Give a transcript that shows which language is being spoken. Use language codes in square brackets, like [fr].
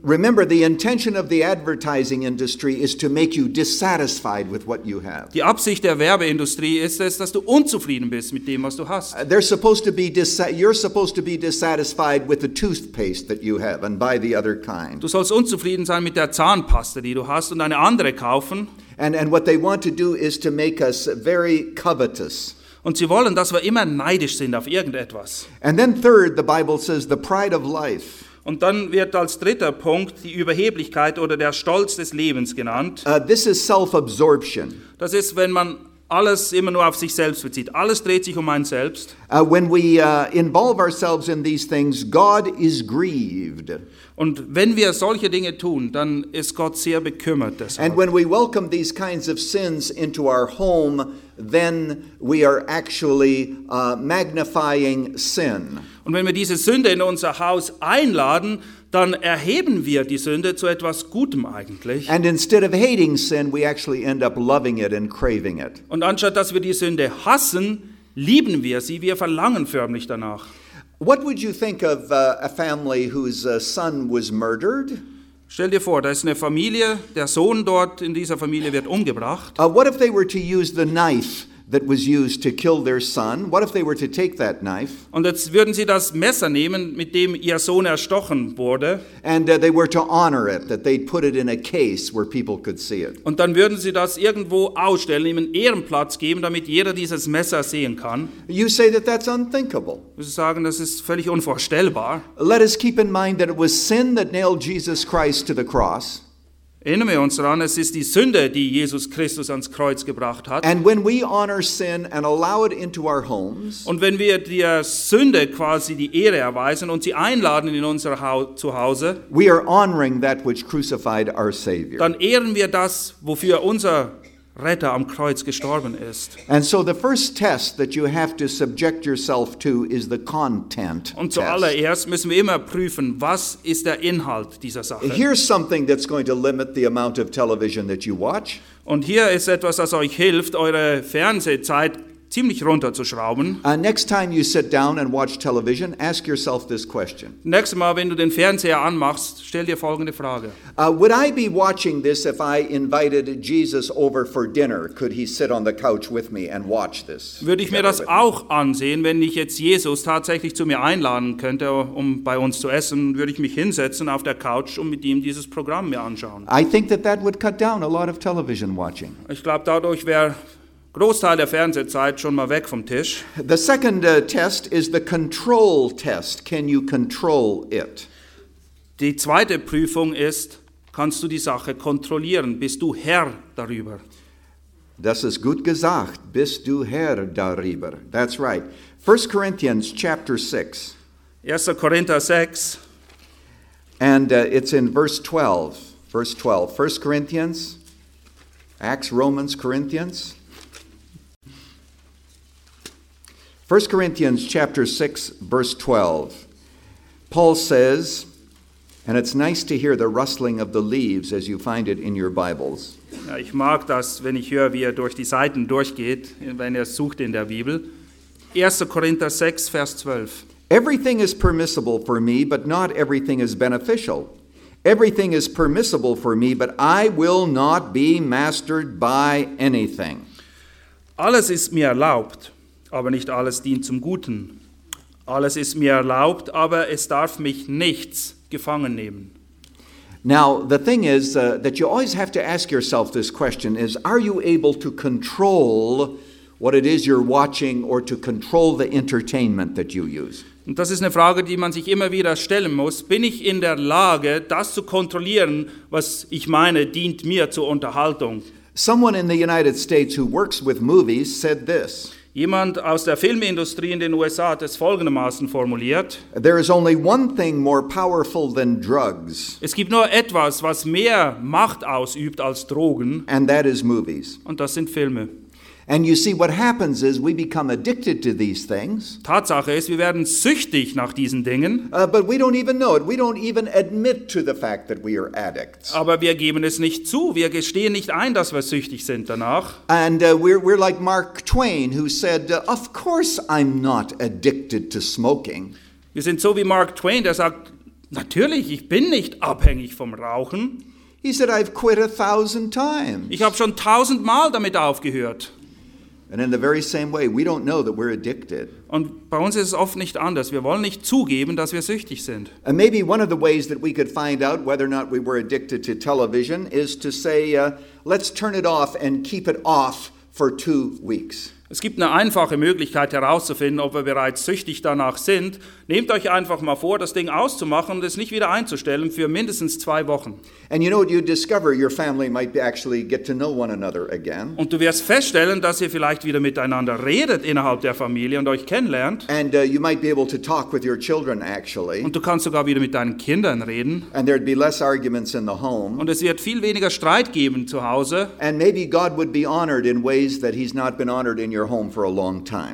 [en] Remember, the intention of the advertising industry is to make you dissatisfied with what you have. [de] Die Absicht der Werbeindustrie ist es, dass du unzufrieden bist mit dem, was du hast. [en] They're supposed to be you're supposed to be dissatisfied with the toothpaste that you have and buy the other kind. [de] Du sollst unzufrieden sein mit der Zahnpasta, die du hast, und eine andere kaufen. [en] And what they want to do is to make us very covetous. [de] Und sie wollen, dass wir immer neidisch sind auf irgendetwas. [en] And then third, the Bible says the pride of life. [de] Und dann wird als dritter Punkt die Überheblichkeit oder der Stolz des Lebens genannt. [en] This is self-absorption. [de] Das ist, wenn man alles immer nur auf sich selbst bezieht. Alles dreht sich um einen selbst. [en] When we involve ourselves in these things, God is grieved. [de] Und wenn wir solche Dinge tun, dann ist Gott sehr bekümmert deshalb. [en] And when we welcome these kinds of sins into our home, then we are actually magnifying sin. [de] Und wenn wir diese Sünde in unser Haus einladen, dann erheben wir die Sünde zu etwas Gutem eigentlich. [en] And instead of hating sin, we actually end up loving it and craving it. [de] Und anstatt dass wir die Sünde hassen, lieben wir sie, wir verlangen förmlich danach. [en] What would you think of a family whose son was murdered? [de] Stell dir vor, da ist eine Familie, der Sohn dort in dieser Familie wird umgebracht. [en] What if they were to use the knife that was used to kill their son? What if they were to take that knife? [de] Und jetzt würden sie das Messer nehmen, mit dem ihr Sohn erstochen wurde. [en] And they were to honor it, that they'd put it in a case where people could see it. [de] Und dann würden sie das irgendwo ausstellen, ihm einen Ehrenplatz geben, damit jeder dieses Messer sehen kann. [en] You say that that's unthinkable. [de] Sie sagen, das ist völlig unvorstellbar. [en] Let us keep in mind that it was sin that nailed Jesus Christ to the cross. [de] Erinnern wir uns daran, es ist die Sünde, die Jesus Christus ans Kreuz gebracht hat. [en] And when we honor sin and allow it into our homes, [de] und wenn wir der Sünde quasi die Ehre erweisen und sie einladen in unser Zuhause, [en] we are honoring that which crucified our Savior. [de] Dann ehren wir das, wofür unser Retter am Kreuz gestorben ist. [en] And so the first test that you have to subject yourself to is the content test. [de] Und zuallererst müssen wir immer prüfen, was ist der Inhalt dieser Sache. [en] Here's something that's going to limit the amount of television that you watch. [de] Und hier ist etwas, das euch hilft, eure Fernsehzeit ziemlich runterzuschrauben. [en] Next time you sit down and watch television, ask yourself this question. [de] Nächstes Mal, wenn du den Fernseher anmachst, stell dir folgende Frage. [en] Would I be watching this if I invited Jesus over for dinner? Could he sit on the couch with me and watch this? [de] Würde ich mir das auch ansehen, wenn ich jetzt Jesus tatsächlich zu mir einladen könnte, um bei uns zu essen, würde ich mich hinsetzen auf der Couch und mit ihm dieses Programm mir anschauen. [en] I think that would cut down a lot of television watching. [de] Ich glaube, dadurch wäre Großteil der Fernsehzeit schon mal weg vom Tisch. [en] The second test is the control test. Can you control it? [de] Die zweite Prüfung ist, kannst du die Sache kontrollieren? Bist du Herr darüber? Das ist gut gesagt. Bist du Herr darüber? [en] That's right. 1 Corinthians chapter 6. [de] 1. Korinther 6. [en] And it's in verse 12. Verse 12. 1 Corinthians. Acts, Romans, Corinthians. 1 Corinthians chapter 6, verse 12. Paul says, and it's nice to hear the rustling of the leaves as you find it in your Bibles. [de] Ja, ich mag das, wenn ich höre, wie durch die Seiten durchgeht, wenn sucht in der Bibel. 1. Korinther 6, Vers 12. [en] Everything is permissible for me, but not everything is beneficial. Everything is permissible for me, but I will not be mastered by anything. [de] Alles ist mir erlaubt, aber nicht alles dient zum Guten. Alles ist mir erlaubt, aber es darf mich nichts gefangen nehmen. [en] Now, the thing is that you always have to ask yourself this question is, are you able to control what it is you're watching or to control the entertainment that you use? [de] Und das ist eine Frage, die man sich immer wieder stellen muss. Bin ich in der Lage, das zu kontrollieren, was ich meine, dient mir zur Unterhaltung? [en] Someone in the United States who works with movies said this. [de] Jemand aus der Filmindustrie in den USA hat es folgendermaßen formuliert. [en] There is only one thing more powerful than drugs. [de] Es gibt nur etwas, was mehr Macht ausübt als Drogen. [en] And that is movies. [de] Und das sind Filme. [en] And you see, what happens is we become addicted to these things. [de] Tatsache ist, wir werden süchtig nach diesen Dingen. [en] But we don't even know it. We don't even admit to the fact that we are addicts. [de] Aber wir geben es nicht zu. Wir gestehen nicht ein, dass wir süchtig sind danach. [en] And we're like Mark Twain, who said, "Of course I'm not addicted to smoking." [de] Wir sind so wie Mark Twain, der sagt, natürlich, ich bin nicht abhängig vom Rauchen. [en] He said, "I've quit 1,000 times." [de] Ich habe schon 1,000 Mal damit aufgehört. [en] And in the very same way, we don't know that we're addicted. [de] Und bei uns ist es oft nicht anders. Wir wollen nicht zugeben, dass wir süchtig sind. [en] And maybe one of the ways that we could find out whether or not we were addicted to television is to say, let's turn it off and keep it off for 2 weeks. [de] Es gibt eine einfache Möglichkeit herauszufinden, ob wir bereits süchtig danach sind. Nehmt euch einfach mal vor, das Ding auszumachen und es nicht wieder einzustellen für mindestens 2 Wochen. [en] And you know what you discover, your family might actually get to know one another again. [de] Und du wirst feststellen, dass ihr vielleicht wieder miteinander redet innerhalb der Familie und euch kennenlernt. [en] And you might be able to talk with your children actually. [de] Und du kannst sogar wieder mit deinen Kindern reden. [en] And there'd be less arguments in the home. [de] Und es wird viel weniger Streit geben zu Hause. [en] And maybe God would be honored in ways that he's not been honored in your home for a long time.